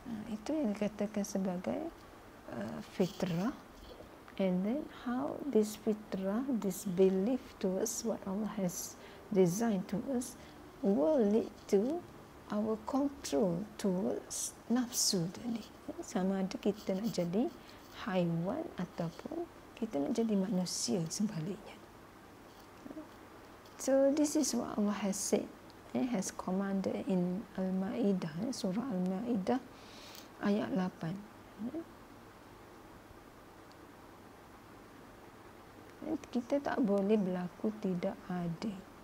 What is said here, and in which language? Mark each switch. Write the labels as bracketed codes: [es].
[ms] Itu yang dikatakan sebagai fitrah. [en] And then how this fitrah, this belief towards what Allah has designed to us, will lead to our control towards nafsu tadi. [ms] Sama ada kita nak jadi haiwan ataupun kita nak jadi manusia sebaliknya. [en] So this is what Allah has said, has commanded in Al-Ma'idah, surah Al-Ma'idah ayat 8. [ms] Kita tak boleh berlaku tidak adil.